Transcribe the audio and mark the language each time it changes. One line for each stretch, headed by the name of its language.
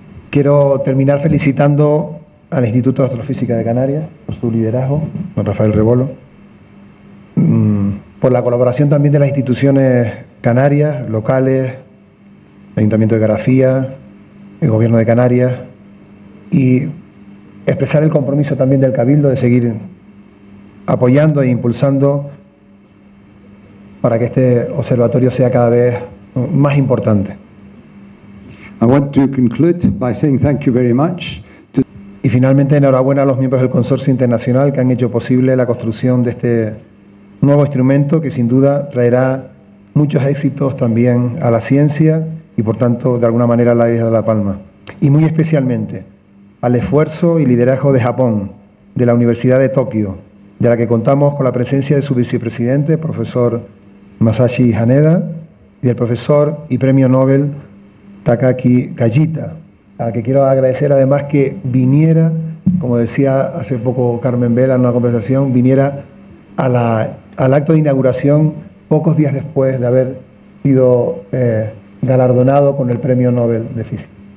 Spanish: Quiero terminar felicitando al Instituto de Astrofísica de Canarias por su liderazgo, don Rafael Rebolo, por la colaboración también de las instituciones canarias, locales, Ayuntamiento de Garafía, el Gobierno de Canarias, y expresar el compromiso también del Cabildo de seguir apoyando e impulsando para que este observatorio sea cada vez más importante.
English: I want to conclude by saying thank you very much.
Spanish: Y finalmente, enhorabuena a los miembros del Consorcio Internacional que han hecho posible la construcción de este nuevo instrumento que sin duda traerá muchos éxitos también a la ciencia y por tanto de alguna manera a la isla de La Palma. Y muy especialmente al esfuerzo y liderazgo de Japón, de la Universidad de Tokio, de la que contamos con la presencia de su vicepresidente, profesor Masashi Haneda, y del profesor y premio Nobel Takaki Kajita, a que quiero agradecer además que viniera, como decía hace poco Carmen Vela en una conversación, viniera al acto de inauguración pocos días después de haber sido galardonado con el premio Nobel de Física.